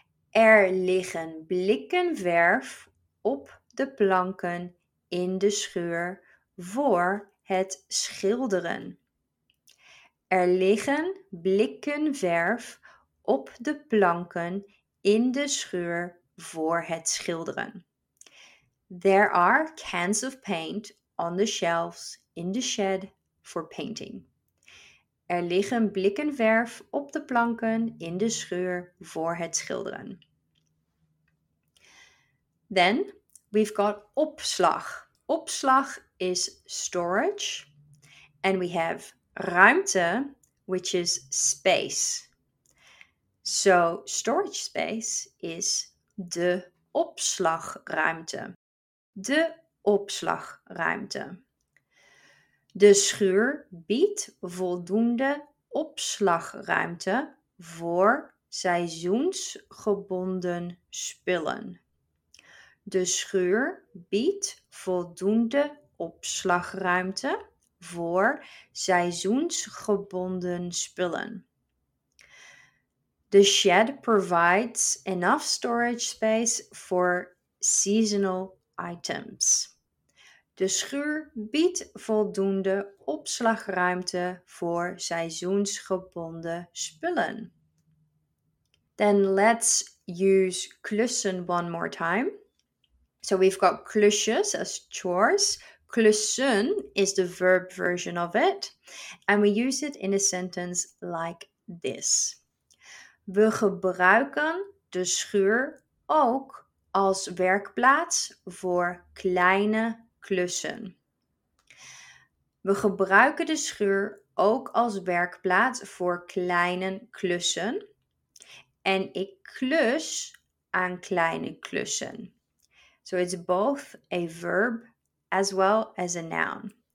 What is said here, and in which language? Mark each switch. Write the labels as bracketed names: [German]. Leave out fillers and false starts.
[Dutch] Er liggen blikken verf op de planken in de schuur voor het schilderen. Er liggen blikken verf op de planken in de schuur voor het schilderen. [English] There are cans of paint on the shelves in the shed for painting. [Dutch] Er liggen blikken verf op de planken in de schuur voor het schilderen. [English] Then we've got opslag. Opslag is storage. And we have ruimte, which is space. So storage space is de opslagruimte. [Dutch] De opslagruimte. De schuur biedt voldoende opslagruimte voor seizoensgebonden spullen. De schuur biedt voldoende opslagruimte voor seizoensgebonden spullen. [English] The shed provides enough storage space for seasonal items. [Dutch] De schuur biedt voldoende opslagruimte voor seizoensgebonden spullen. [English] Then let's use klussen one more time. So we've got klusjes as chores. Klussen is the verb version of it. And we use it in a sentence like this. [Dutch] We gebruiken de schuur ook als werkplaats voor kleine klussen. We gebruiken de schuur ook als werkplaats voor kleine klussen. En ik klus aan kleine klussen. [English] So it's both a verb as well as a noun.